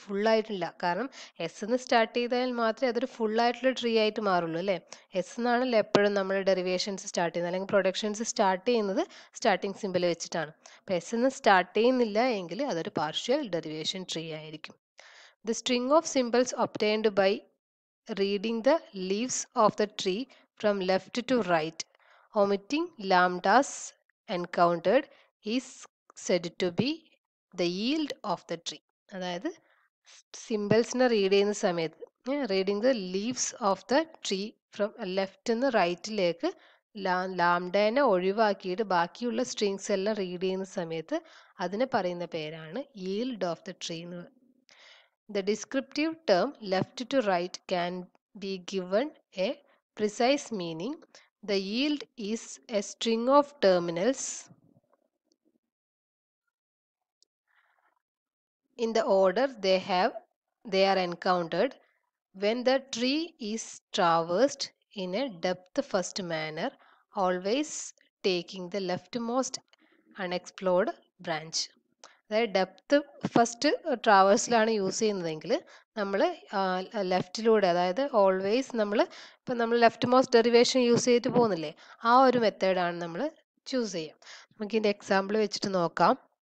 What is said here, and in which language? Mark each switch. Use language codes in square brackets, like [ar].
[ml] ഫുള്ളായിട്ടില്ല, കാരണം എസ് എന്ന് സ്റ്റാർട്ട് ചെയ്താൽ മാത്രമേ അതൊരു ഫുള്ളായിട്ടുള്ള ട്രീ ആയിട്ട് മാറുള്ളൂ അല്ലേ. എസ് എന്നാണല്ലോ എപ്പോഴും നമ്മൾ ഡെറിവേഷൻസ് സ്റ്റാർട്ട് ചെയ്യുന്നത് അല്ലെങ്കിൽ പ്രൊഡക്ഷൻസ് സ്റ്റാർട്ട് ചെയ്യുന്നത് സ്റ്റാർട്ടിംഗ് സിമ്പിൾ വെച്ചിട്ടാണ്. അപ്പോൾ എസ് എന്ന് സ്റ്റാർട്ട് ചെയ്യുന്നില്ല എങ്കിൽ അതൊരു പാർഷ്യൽ ഡെറിവേഷൻ ട്രീ ആയിരിക്കും. [en] The string of symbols obtained by reading the leaves of the tree from left to right omitting lambdas encountered is said to be the yield of the tree. [ml] അതായത് symbols നെ read ചെയ്യുന്ന സമയത്ത് [en] reading the leaves of the tree from left [ml] നിന്ന് റൈറ്റിലേക്ക് ലാംഡേനെ ഒഴിവാക്കിയിട്ട് ബാക്കിയുള്ള strings എല്ലാം read ചെയ്യുന്ന സമയത്ത് അതിനെ പറയുന്ന പേരാണ് [en] yield of the tree [ml] എന്ന്. [en] The descriptive term left to right can be given a precise meaning. The yield is a string of terminals in the order they are encountered when the tree is traversed in a depth first manner, always taking the leftmost unexplored branch. [ml] അതായത് depth first ട്രാവേഴ്സിലാണ് use ചെയ്യുന്നതെങ്കിൽ നമ്മൾ ലെഫ്റ്റിലൂടെ, അതായത് always നമ്മൾ ഇപ്പം നമ്മൾ left most derivation use ചെയ്തിട്ട് പോകുന്നില്ലേ, ആ ഒരു മെത്തേഡാണ് നമ്മൾ ചൂസ് ചെയ്യുക. നമുക്കിതിൻ്റെ എക്സാമ്പിൾ വെച്ചിട്ട് നോക്കാം.